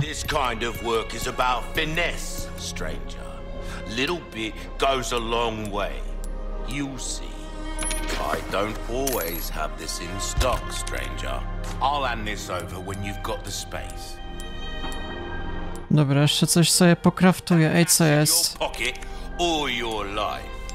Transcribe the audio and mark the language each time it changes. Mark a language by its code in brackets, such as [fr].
[en] This kind of work is about finesse, stranger. Little bit goes a long way. You see. I don't always have this in stock, stranger. I'll hand this over when you've got the space. [pl] Dobra, jeszcze coś sobie pokraftuję. Ej, co jest? [en] Your pocket or your life.